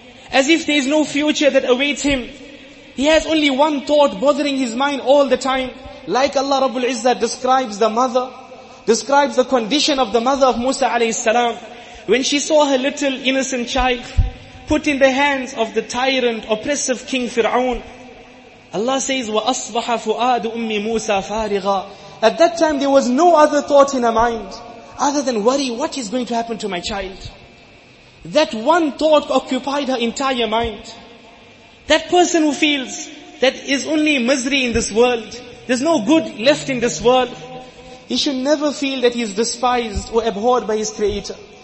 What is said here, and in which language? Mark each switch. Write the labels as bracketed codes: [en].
[en] as if there is no future that awaits him, he has only one thought bothering his mind all the time, like Allah Rabbul Izzah describes the mother, describes the condition of the mother of Musa alayhi salam, when she saw her little innocent child put in the hands of the tyrant, oppressive king Fir'aun. Allah says, [ar] وَأَصْبَحَ فُؤَادُ أُمِّ مُوسَى فَارِغًا. [en] At that time there was no other thought in her mind other than worry, what is going to happen to my child? That one thought occupied her entire mind. That person who feels that is only misery in this world, there's no good left in this world, he should never feel that he is despised or abhorred by his Creator.